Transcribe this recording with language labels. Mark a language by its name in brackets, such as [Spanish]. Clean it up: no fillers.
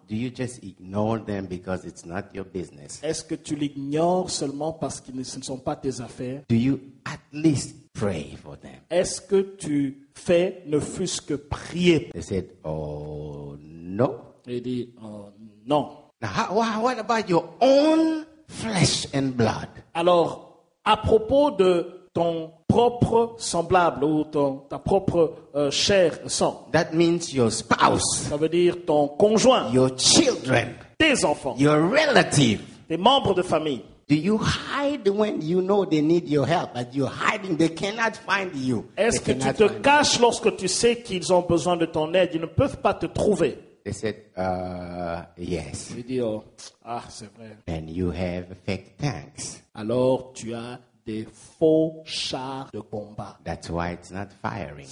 [English] Do you just ignore them because it's not your business? [French] Est-ce que tu l'ignores seulement parce que ce ne sont pas tes affaires? [English] Do you at least pray for them? [French] Est-ce que tu fais ne fût-ce que prier? [English] They said, oh no. [French] Il dit, non. [English] Now, what about your own flesh and blood? [French] Alors, à propos de ton propre semblable ou ta propre chair sang. [English] That means your spouse. [French] Ça veut dire ton conjoint. [English] Your children. [French] Tes enfants. [English] Your relative. [French] Tes membres de famille. [English] Do you hide when you know they need your help, but you're hiding, they cannot find you? [French] Est-ce que tu te caches lorsque tu sais qu'ils ont besoin de ton aide, ils ne peuvent pas te trouver? [English] They said, yes. [French] Il dit, oh, ah, c'est vrai. [English] Then you have fake tanks. [French] Alors tu as des faux chars de combat. [English] That's why it's not firing.